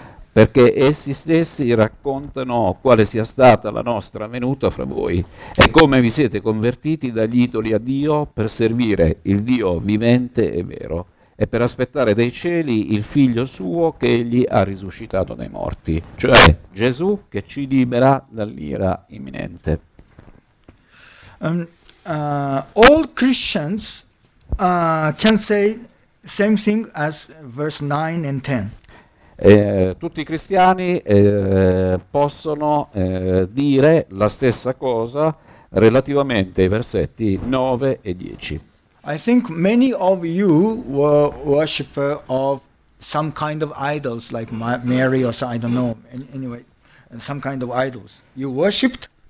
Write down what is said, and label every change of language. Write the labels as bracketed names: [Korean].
[Italian] Perché essi stessi raccontano quale sia stata la nostra venuta fra voi e come vi siete convertiti dagli idoli a Dio per servire il Dio vivente e vero e per aspettare dai cieli il Figlio suo che egli ha risuscitato dai morti, cioè Gesù che ci libera dall'ira imminente. [English] All Christians can say same thing as verse 9 and 10. [Italian] Tutti i cristiani possono dire la stessa cosa relativamente ai versetti 9 e 10. [English] I think many of you were worshipper of some kind of idols like Mary or I don't know anyway some kind of idols you worshipped.